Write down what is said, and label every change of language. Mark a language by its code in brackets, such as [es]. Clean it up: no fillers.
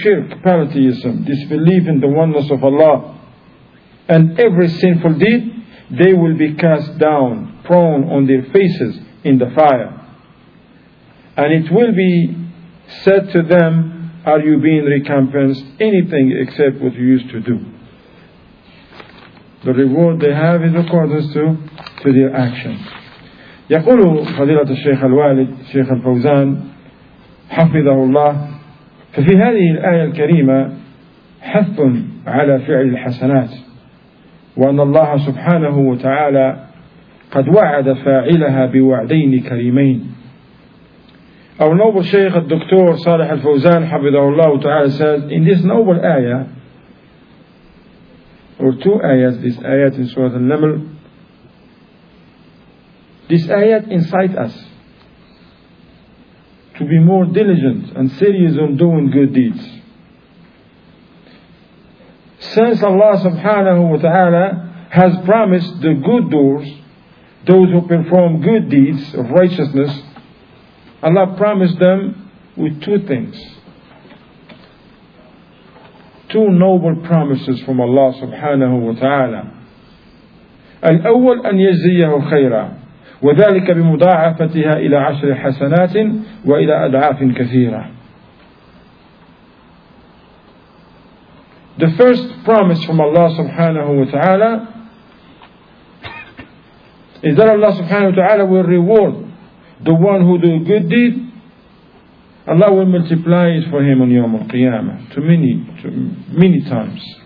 [en] shirk, polytheism, disbelief in the oneness of Allah, and every sinful deed, they will be cast down, prone on their faces, in the fire. And it will be said to them, are you being recompensed anything except what you used to do? The reward they have is according to their action. [ar] Yaqulu Fadilat al-Shaykh al-Walid, Shaykh al-Fawzan, حفظه الله ففي هذه الآية الكريمة حث على فعل الحسنات وأن الله سبحانه وتعالى قد وعد فاعلها بوعدين كريمين. [en] Our noble Shaykh [ar] الدكتور صالح الفوزان حفظه الله تعالى [en] says in this noble ayah or two ayahs, this ayat in Surah Al-Naml, this ayat incite us to be more diligent and serious on doing good deeds. Since Allah subhanahu wa ta'ala has promised the good doors, those who perform good deeds of righteousness, Allah promised them with two things. Two noble promises from Allah subhanahu wa ta'ala. [ar] Al-awwal an yajziyahu khayra. وذلك بمضاعفتها إلى عشر حسنات وإلى أضعاف كثيرة. [en] The first promise from Allah subhanahu wa ta'ala is that Allah subhanahu wa ta'ala will reward the one who do a good deed. Allah will multiply it for him on Yawm al-Qiyamah to many times.